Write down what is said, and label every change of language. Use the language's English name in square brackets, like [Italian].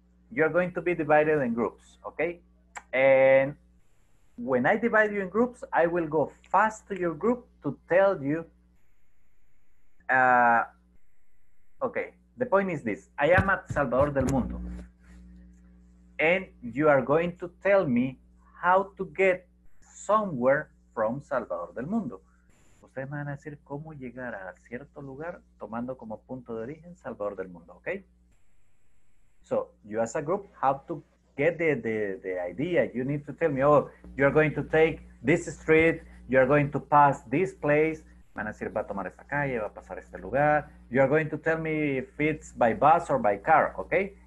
[English] You're going to be divided in groups, okay? And when I divide you in groups, I will go fast to your group to tell you. The point is this. I am at Salvador del Mundo. And you are going to tell me how to get somewhere from Salvador del Mundo. [Spanish] Ustedes me van a decir cómo llegar a cierto lugar tomando como punto de origen Salvador del Mundo, okay? [English] So, you as a group have to get the idea. You need to tell me, oh, you're going to take this street, you're going to pass this place, [Spanish] me van a decir, va a tomar esta calle, va a pasar este lugar. [English] You're going to tell me if it's by bus or by car, okay?